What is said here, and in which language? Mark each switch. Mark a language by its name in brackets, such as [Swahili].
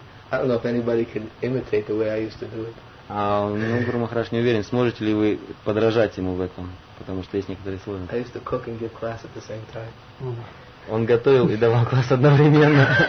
[English] I don't know if anybody can imitate the way I used to do it. [Russian] Ну, Гуру Махарадж не уверен, сможете ли вы подражать ему в этом, потому что есть некоторые сложности. [English] I used to cook and give class at the same time. [Russian] Он готовил и давал класс одновременно.